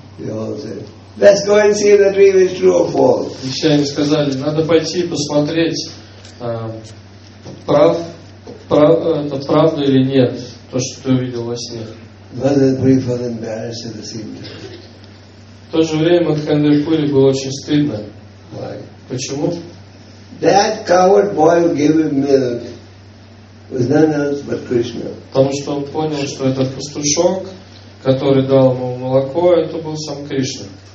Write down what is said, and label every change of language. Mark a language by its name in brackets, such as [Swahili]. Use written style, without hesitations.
[Russian] И все они сказали: «Надо пойти и посмотреть, это правда или нет, то, что ты увидел во сне». В то же время Мадхендра Пури было очень стыдно. [English] Why? [Russian] Почему? [English] That coward boy who gave him milk was none else but Krishna. [Russian] Потому что он понял, что этот пастушок, который дал ему молоко, это был сам Кришна.